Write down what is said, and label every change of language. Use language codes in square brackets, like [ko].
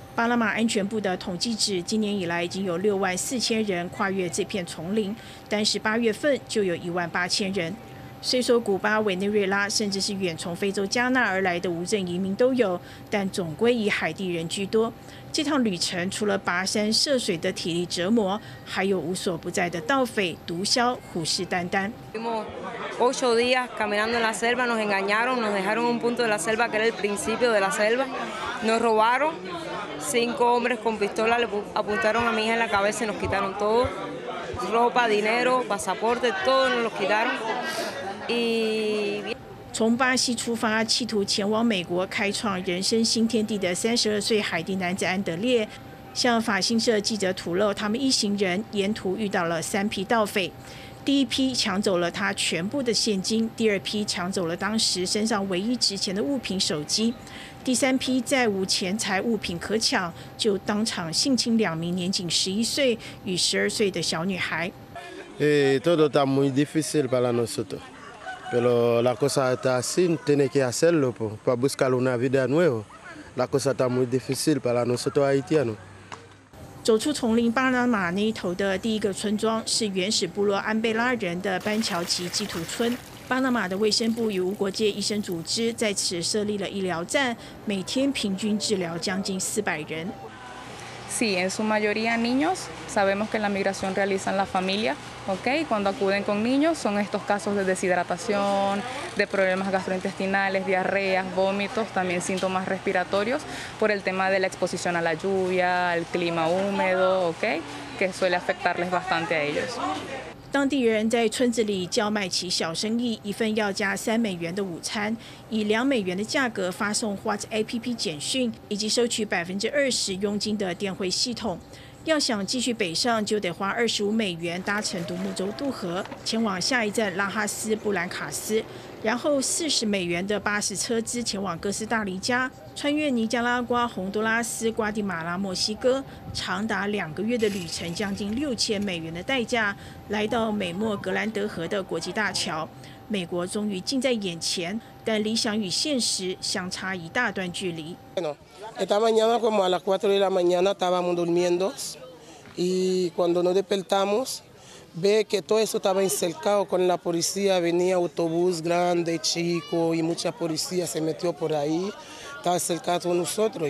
[zh] 巴拿马安全部的统计指，今年以来已经有64000人跨越这片丛林，但是8月份就有18000人。虽说古巴、委内瑞拉，甚至是远从非洲加纳而来的无证移民都有，但总归以海地人居多。这趟旅程除了跋山涉水的体力折磨，还有无所不在的盗匪、毒枭虎视眈眈。 [es] 8 días caminando en la selva, nos engañaron, nos dejaron un punto de la selva que era el principio de la selva, nos robaron. 5 hombres con pistola le apuntaron a mi hija en la cabeza y nos quitaron todo. ropa, dinero, pasaporte, todo nos lo quitaron. [zh] 从巴西出发，企图前往美国开创人生新天地的32岁海地男子安德烈，向法新社记者吐露，他们一行人沿途遇到了3批盗匪。第一批抢走了他全部的现金，第二批抢走了当时身上唯一值钱的物品手机，第三批再无钱财物品可抢，就当场性侵两名年仅11岁与12岁的小女孩。 [es] Todo está muy difícil para nosotros, pero la cosa está así, tiene que hacerlo para buscar una vida nueva. La cosa está muy difícil para nosotros haitianos. [zh] 走出丛林，巴拿马那一头的第一个村庄是原始部落安贝拉人的班乔奇基土村。巴拿马的卫生部与无国界医生组织在此设立了医疗站，每天平均治疗将近400人。 [es] Sí, en su mayoría niños. Sabemos que la migración realizan la familia, ¿ok? Cuando acuden con niños, son estos casos de deshidratación, de problemas gastrointestinales, diarreas, vómitos, también síntomas respiratorios por el tema de la exposición a la lluvia, al clima húmedo, ¿ok? Que suele afectarles bastante a ellos. [zh] 当地人在村子里叫卖起小生意，一份要价3美元的午餐，以2美元的价格发送 WhatsApp 简讯，以及收取20%佣金的电汇系统。要想继续北上，就得花25美元搭乘独木舟渡河，前往下一站拉哈斯布兰卡斯，然后40美元的巴士车资前往哥斯达黎加，穿越尼加拉瓜、洪都拉斯、瓜地马拉、墨西哥，长达2个月的旅程，将近6000美元的代价，来到美墨格兰德河的国际大桥。美国终于近在眼前，但理想与现实相差一大段距离。 [es] Esta mañana como a las 4 de la mañana estábamos durmiendo y cuando nos despertamos ve que todo eso estaba encercado con la policía, venía autobús grande, chico y mucha policía se metió por ahí, estaba cercado con nosotros.